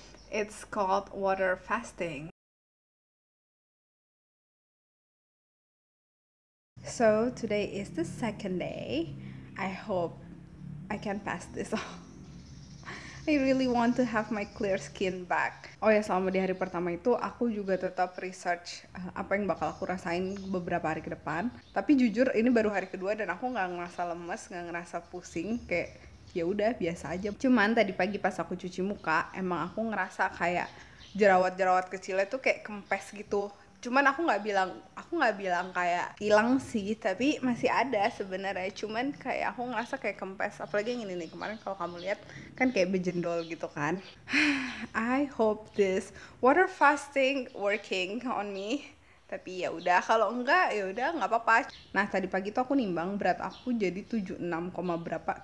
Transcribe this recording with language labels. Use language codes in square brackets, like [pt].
[en] It's called water fasting. So today is the second day. I hope I can pass this off. I really want to have my clear skin back. [id] Oh ya, selama di hari pertama itu aku juga tetap research apa yang bakal aku rasain beberapa hari ke depan. Tapi jujur ini baru hari kedua dan aku nggak ngerasa lemes, nggak ngerasa pusing, kayak ya udah biasa aja. Cuman tadi pagi pas aku cuci muka, emang aku ngerasa kayak jerawat-jerawat kecilnya tuh kayak kempes gitu. Cuman aku nggak bilang kayak hilang sih, tapi masih ada sebenarnya. Cuman kayak aku ngerasa kayak kempes, apalagi yang ini nih kemarin kalau kamu lihat kan kayak bejendol gitu kan. [en] I hope this water fasting working on me. [id] Tapi ya udah, kalau enggak ya udah nggak apa-apa. Nah, tadi pagi tuh aku nimbang berat aku jadi 76, berapa?